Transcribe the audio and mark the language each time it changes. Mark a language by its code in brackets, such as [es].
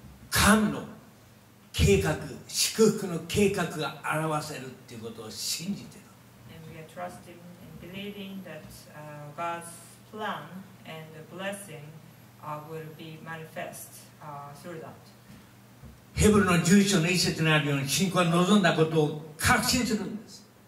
[ja] 神の計画、祝福の計画が表せるということを信じている。 [en] And we are trusting and believing that God's plan and the blessing will be manifest through that. [ja] ヘブルの11章の1節にあるように信仰は望んだことを確信するんです。